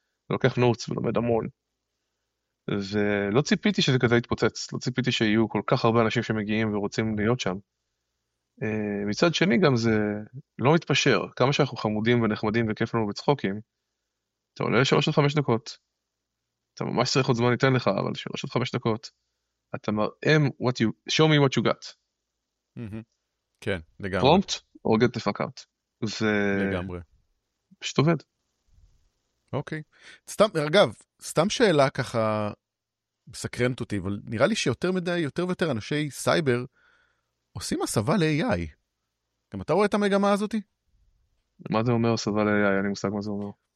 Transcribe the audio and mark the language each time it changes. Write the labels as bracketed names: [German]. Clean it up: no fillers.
[Hebrew] לוקח נוטס ולומד המון. ולא ציפיתי שזה כזה יתפוצץ, לא ציפיתי שיהיו כל כך הרבה אנשים שמגיעים ורוצים להיות שם. מצד שני גם זה לא מתפשר, כמה שאנחנו חמודים ונחמדים וכיף לנו בצחוקים, אתה עולה 3 עד 5 דקות. אתה ממש צריך עוד זמן, ניתן לך, אבל 3 עד 5 דקות. אתה מראה, [English] show me what you got. [Hebrew] כן, לגמרי. [English] פרומפט, or get the fuck out. [Hebrew] זה לגמרי. פשוט עובד. אוקיי. סתם, אגב, סתם שאלה ככה מסקרנת אותי, אבל נראה לי שיותר מדי, יותר ויותר אנשי סייבר עושים הסבה ל-AI. גם אתה רואה את המגמה הזאת? מה זה אומר הסבה ל-AI? אני מושג מה זה אומר.